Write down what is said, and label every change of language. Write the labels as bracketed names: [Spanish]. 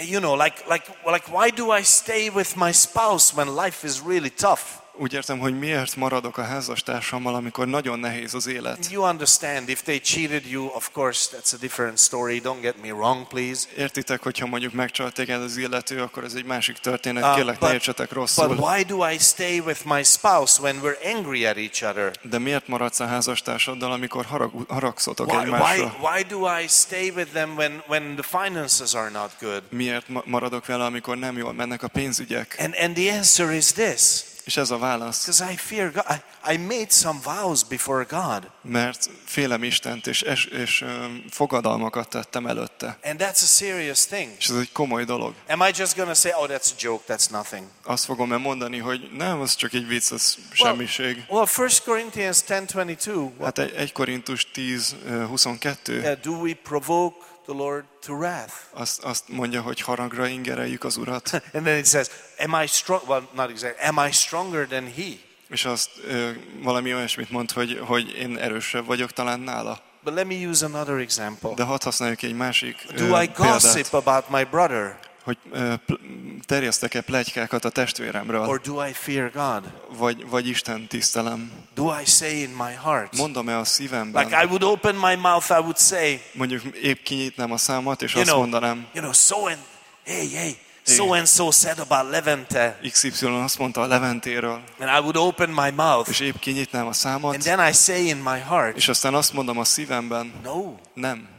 [English] You know, like why do I stay with my spouse when life is really tough? [Hungarian] Úgy értem, hogy miért maradok a házastársammal, amikor nagyon nehéz az élet. [English] You understand if they cheated you, of course that's a different story. Don't get me wrong, please. [Hungarian] Értitek, hogyha mondjuk megcsalt téged az illető, akkor ez egy másik történet. Kérlek, ne értsetek rosszul. [English] But why do I stay with my spouse when we're angry at each other? [Hungarian] De miért maradsz a házastársaddal, amikor haragszotok egymásra? [English] Why do I stay with them when the finances are not good? [Hungarian] Miért maradok vele, amikor nem jól mennek a pénzügyek? [English] And the answer is this. [Hungarian] És ez a válasz. [English] Because I fear God. I made some vows before God. [Hungarian] Mert félem Istent, és fogadalmakat tettem előtte. [English] And that's a serious thing. [Hungarian] És ez egy komoly dolog. [English] Am I just gonna say, oh, that's a joke, that's nothing? [Hungarian] Azt fogom mondani, hogy nem, az csak egy vicc, az semmiség. [English] Well, 1 Corinthians 10:22. [Hungarian] Hát 1 Korintus 10:22. [English] Do we provoke the Lord to wrath? [Hungarian] Azt mondja, hogy haragra ingereljük az Urat. [English] And then it says, am I strong? Well, not exactly. Am I stronger than he? [Hungarian] És azt valami olyasmit mond, hogy én erősebb vagyok talán nála. [English] But let me use another example. [Hungarian] De hadd használjuk egy másik [English] do [Hungarian] példát. [English] Do I gossip about my brother? [Hungarian] Hogy terjesztek-e pletykákat a testvéremről? [English] Or do I fear God? [Hungarian] Vagy Isten tisztelem? [English] Do I say in my heart? [Hungarian] Mondom-e a szívemben? [English] Like I would open my mouth, I would say. [Hungarian] Mondjuk épp kinyitnám a számat, és azt mondanám. [English] You know, so and hey, So and so said about Levente. [Hungarian] XY azt mondta a Leventéről. [English] And I would open my mouth. [Hungarian] És épp kinyitnám a számot. [English] And then I say in my heart. [Hungarian] És aztán azt mondom a szívemben. [English] No. [Hungarian] Nem.